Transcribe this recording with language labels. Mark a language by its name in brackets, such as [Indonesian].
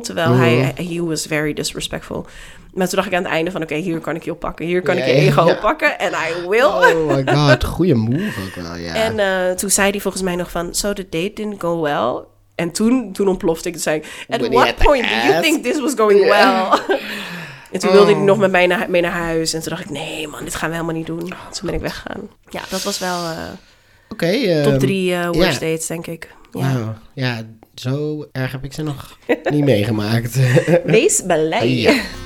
[Dutch] Terwijl [English] he was very disrespectful. [Dutch] Maar toen dacht ik aan het einde van, oké, hier kan ik je oppakken. Hier kan ik je ego oppakken. [English] And I will. Oh my god, [Dutch] goede move ook wel, ja. En toen zei hij volgens mij nog van, [English] so the date didn't go well. [Dutch] En toen ontplofte ik. Toen zei ik, [English] at what point did you think this was going well? [Dutch] En toen wilde hij nog met mij mee naar huis. En toen dacht ik, nee man, dit gaan we helemaal niet doen. Oh, toen ben ik weggegaan. Ja, dat was wel top drie worst dates, denk ik. Ja. Wow. Ja, zo erg heb ik ze nog niet meegemaakt. Wees blij. Ja.